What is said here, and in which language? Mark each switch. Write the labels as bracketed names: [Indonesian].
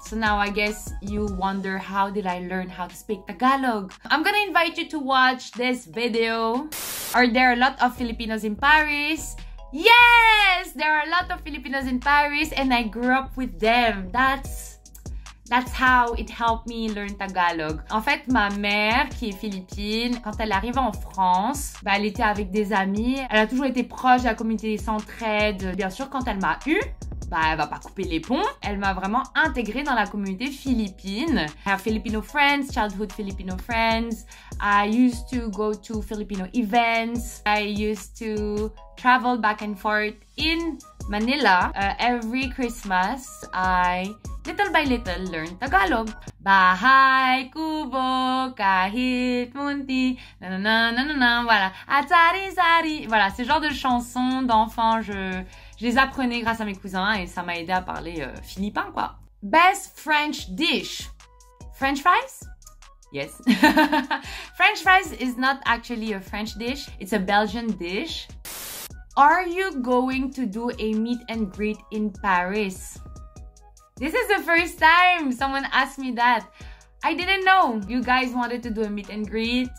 [English] So now I guess you wonder, how did I learn how to speak Tagalog? I'm gonna invite you to watch this video. Are there a lot of Filipinos in Paris? Yes! There are a lot of Filipinos in Paris and I grew up with them. That's how it helped me learn Tagalog. [French] En fait, ma mère, qui est philippine, quand elle arrive en France, elle était avec des amis. Elle a toujours été proche de la communauté des Centraides. Bien sûr, quand elle m'a eu, elle va pas couper les ponts. Elle m'a vraiment intégrée dans la communauté philippine. [English] Her Filipino friends, childhood Filipino friends. I used to go to Filipino events. I used to travel back and forth in Manila. Every Christmas, I, little by little, learn Tagalog. [Filipino] Bahay, kubo, kahit, munti, nananana, voilà. Atari, sari. [French] Voilà, ce genre de chansons d'enfants, je les apprenais grâce à mes cousins et ça m'a aidé à parler philippin, quoi. [English] Best French dish. French fries? Yes. French fries is not actually a French dish. It's a Belgian dish. Are you going to do a meet and greet in Paris? This is the first time someone asked me that. I didn't know you guys wanted to do a meet and greet.